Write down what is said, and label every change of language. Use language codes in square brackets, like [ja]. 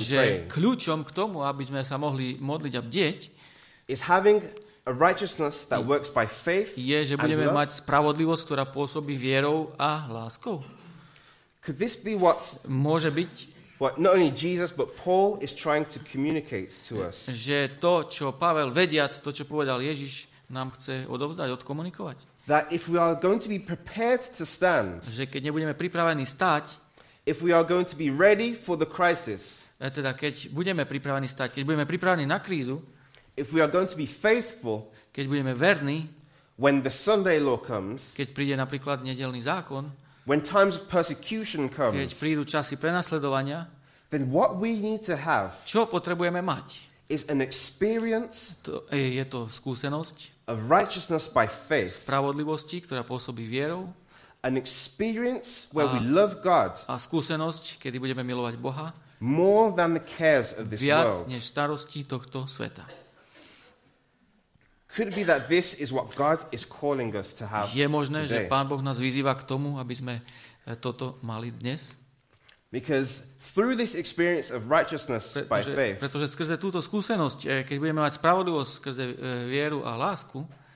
[sk] že kľúčom k tomu, aby sme sa mohli modliť a bdieť, [en] is having a righteousness that works by faith and love. [sk] Je, že budeme mať spravodlivosť, ktorá pôsobí vierou a láskou. [en] Could this be what [sk] môže byť [en] what not only Jesus but Paul is trying to communicate to us? [sk] Že to, čo Pavel vediac, to čo povedal Ježiš, nám chce odovzdať, odkomunikovať. [en] That if we are going to be prepared to stand. [sk] Že keď nebudeme pripravení stať. [en] If we are going to be ready for the crisis. [sk] Teda keď budeme pripravení stať, keď budeme pripravení na krízu. [en] If we are going to be faithful, [sk] keď budeme verní, [en] when the Sunday law comes, [sk] keď príde napríklad nedeľný zákon, [en] When times of persecution comes, [sk] keď prídu časy prenasledovania, [en] then what we need to have, [sk] čo potrebujeme mať, [en] is an experience, [sk] to je to skúsenosť, [en] of righteousness by faith, [sk] spravodlivosti, ktorá pôsobí vierou, [en] an experience where we love God, [sk] a skúsenosť, kedy budeme milovať Boha, [en] more than the cares of this [sk] viac [en] world, [sk] než starosti tohto sveta. [en] Could it be that this is what God is calling us to have? [sk] Je možné, [en] today? [sk] Že Pán Boh nás vyzýva k tomu, aby sme toto mali dnes? [en] Because through this experience of righteousness by faith. [sk] Pretože skrze túto skúsenosť, keď budeme mať spravodlivosť skrze vieru a lásku.